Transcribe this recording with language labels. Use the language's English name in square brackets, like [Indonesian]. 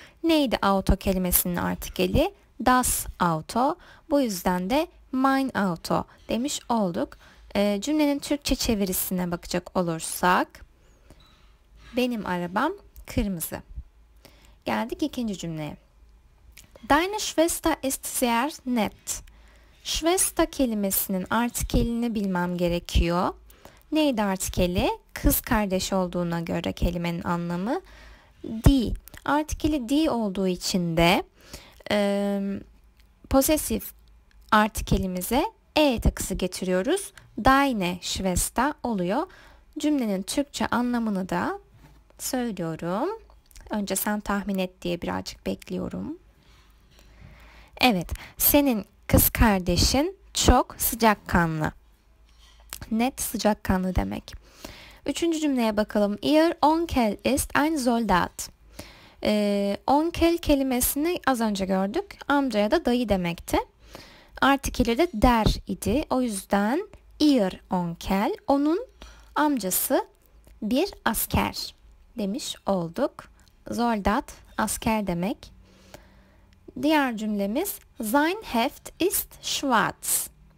[Turkish] Neydi auto kelimesinin artikeli? [German] Das Auto. [Turkish] Bu yüzden de [German] mein Auto [Turkish] demiş olduk. Cümlenin Türkçe çevirisine bakacak olursak, benim arabam kırmızı. Geldik ikinci cümleye. [German] Deine Schwester ist sehr nett. [Turkish] Schwester kelimesinin artikelini bilmem gerekiyor. Neydi artikeli? Kız kardeş olduğuna göre kelimenin anlamı. Die. Artikeli die olduğu için de posesif artikelimize e takısı getiriyoruz. [German] Deine Schwester [Turkish] oluyor. Cümlenin Türkçe anlamını da söylüyorum. Önce sen tahmin et diye birazcık bekliyorum. Evet, senin kız kardeşin çok sıcakkanlı. Net sıcakkanlı demek. Üçüncü cümleye bakalım. [German] Ihr Onkel ist ein Soldat. [Turkish] Onkel kelimesini az önce gördük. Amca ya da dayı demekti. Artikeli de der idi. O yüzden [German] ihr Onkel, [Turkish] onun amcası bir asker demiş olduk. Soldat, asker demek. Diğer cümlemiz [German] Sein Heft ist schwarz.